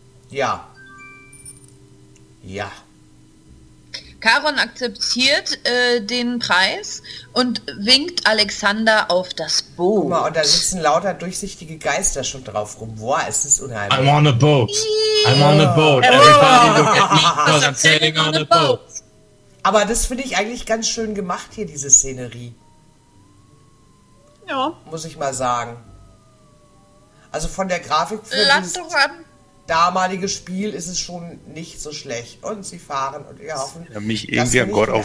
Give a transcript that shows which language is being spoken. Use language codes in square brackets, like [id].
[de] Ja. Ja. Charon akzeptiert den Preis und winkt Alexander auf das Boot. Guck mal, und da sitzen lauter durchsichtige Geister schon drauf rum. Boah, es ist unheimlich. [en] I'm on a boat. I'm on a boat. Everybody look at me, because I'm sailing on a boat. [de] Aber das finde ich eigentlich ganz schön gemacht hier, diese Szenerie. Ja. Muss ich mal sagen. Also von der Grafik für lass doch an. Damaliges Spiel ist es schon nicht so schlecht. Und sie fahren und wir hoffen, ja, mich irgendwie dass